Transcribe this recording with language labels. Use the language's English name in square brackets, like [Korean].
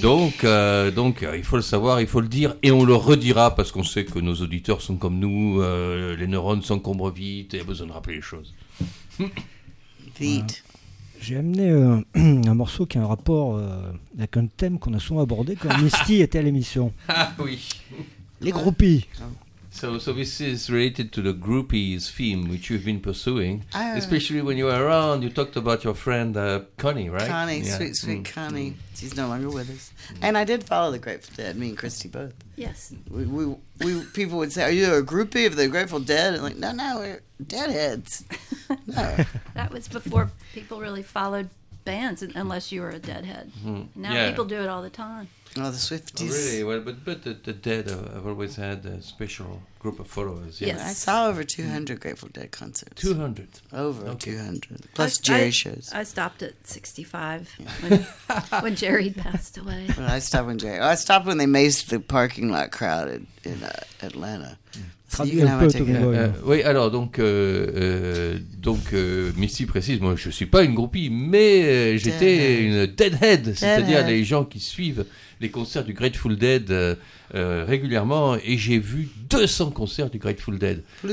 [French] Donc, il faut le savoir, il faut le dire, et on le redira parce qu'on sait que nos auditeurs sont comme nous, les neurones s'encombrent vite et il y a besoin de rappeler les choses. Vite. J'ai amené un morceau qui a un rapport avec un thème qu'on a souvent abordé quand Misty était à l'émission. Ah oui. Les groupies. [English] So this is related to the groupies theme which you've been pursuing, especially when you were around. You talked about your friend Connie, right? Connie, yeah. sweet Connie. Mm. She's no longer with us. Mm. And I did follow the Grateful Dead. Me and Christy both. Yes. We people would say, "Are you a groupie of the Grateful Dead?" And like, no, we're deadheads. No. That was before people really followed bands, unless you were a deadhead. Mm. Now people do it all the time. Oh, the Swifties. Oh, really? Well, but the Dead have always had a special group of followers. Yes. I saw over 200 Grateful Dead concerts. 200? Over 200. Plus Jerry shows. I stopped at 65 when Jerry passed away. Well, I stopped when Jerry... I stopped when they maced the parking lot crowd in Atlanta. Yeah. [French] Oui, alors donc, Misty précise, moi je suis pas une groupie, mais j'étais une deadhead, c'est-à-dire les gens qui suivent les concerts du Grateful Dead régulièrement, et j'ai vu 200 concerts du Grateful Dead.